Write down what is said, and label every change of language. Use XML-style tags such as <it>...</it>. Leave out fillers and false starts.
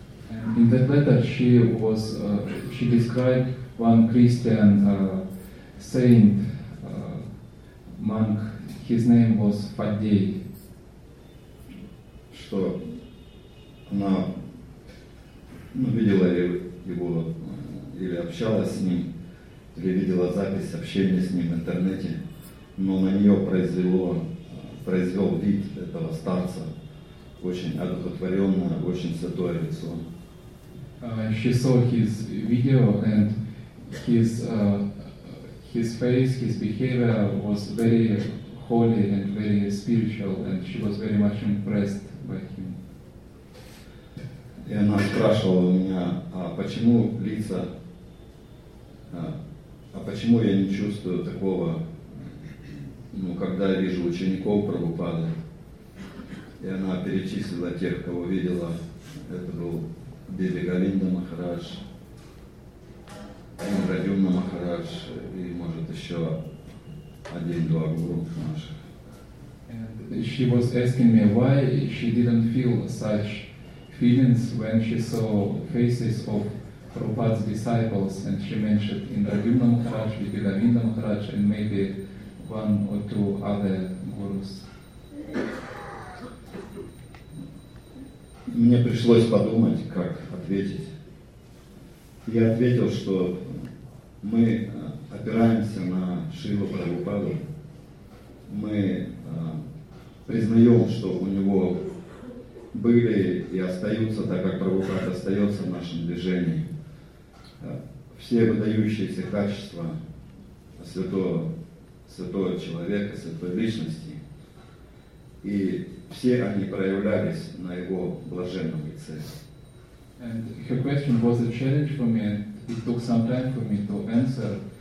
<en>And in that letter she described one Christian saint, monk, his name was Фаддей.</en> <ru>Что она видела его или общалась с ним, или видела запись общения с ним в интернете, но на нее произвел вид этого старца, очень одухотворенное, очень святое лицо.</ru> <en>She saw his video and his face, his behavior was very holy and very spiritual, and she was very much impressed by him.</en> <ru>И она спрашивала у меня, почему я не чувствую такого, когда я вижу учеников Прабхупады. И она перечислила тех, кого видела. Это был Деви Галинда Махарадж, Радюмна Махарадж и, может, еще один-два гуру наших.</ru> <en>And she was asking me why she didn't feel such feelings when she saw faces of Prabhupada's disciples, and she mentioned Indradyumna Maharaj, Vidyadavinda Maharaj, and maybe one or two other gurus.</en> <ru>Мне пришлось подумать, как ответить. Я ответил, что мы опираемся на Шрилу Прабхупаду. Мы признаем, что у него были и остаются, так как Прабхупад остается в нашем движении. Все выдающиеся качества святого человека, святой личности, и все они проявлялись на его блаженном лице.</ru> <en>And her question was a challenge for me, and it took some time for me to answer.</en>